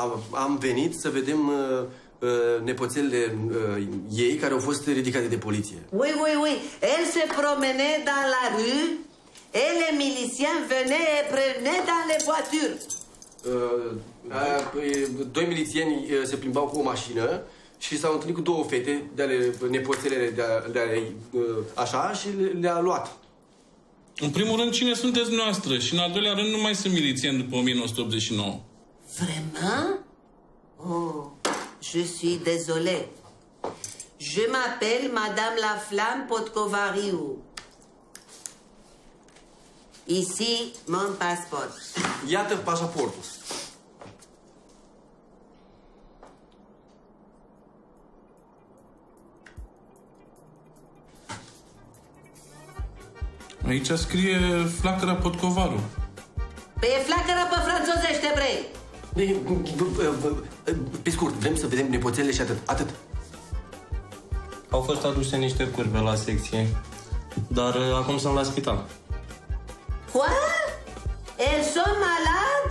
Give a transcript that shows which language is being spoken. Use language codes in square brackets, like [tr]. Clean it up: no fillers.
[ro] Am venit să vedem nepoțelele ei care au fost ridicate de poliție. Ui, ui, ui! [fr] El se promene dans la rue, el e milicien, vene et prene dans les voitures. [ro] Doi milicieni se plimbau cu o mașină și s-au întâlnit cu două fete de-ale nepoțelele de-ale așa și le-a luat. În primul rând, cine sunteți noastră? Și în al doilea rând, nu mai sunt milițien după 1989. [fr] Vraiment? Oh, je suis désolé. Je m'appelle Madame Laflamme Podkovariu. Ici, mon passeport. [ro] Iată pașaportul. Aici scrie Flacăra Podcovaru. Păi e flacăra pe franțozește, bre! Pe scurt, vrem să vedem nepoțelele și atât, atât. Au fost aduse niște curve la secție, dar acum sunt la spital. [fr] Quoi? Elles sont malades?